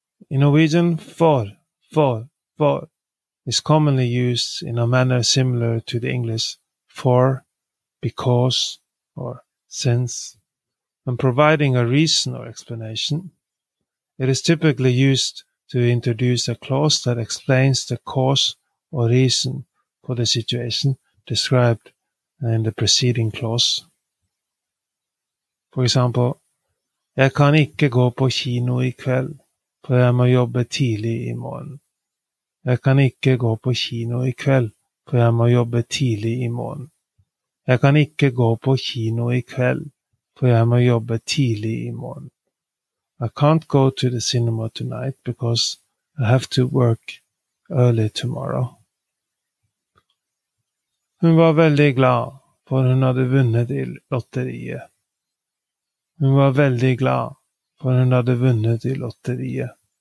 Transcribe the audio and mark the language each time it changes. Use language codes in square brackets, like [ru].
[en] In Norwegian, for is commonly used in a manner similar to the English for, because, or since. When providing a reason or explanation, it is typically used to introduce a clause that explains the cause or reason for the situation described in the preceding clause. For example, [no] jeg kan ikke gå på kino I kveld. For jeg må jobbe tidlig I morgen. Jeg kan ikke gå på kino I kveld, for jeg må jobbe tidlig I morgen. Jeg kan ikke gå på kino I kveld, for jeg må jobbe tidlig I morgen. [en] I can't go to the cinema tonight because I have to work early tomorrow. [no] Hun var veldig glad, for hun hadde vunnet I lotteriet. Hun var veldig glad. For hun hadde vunnet I lotteriet.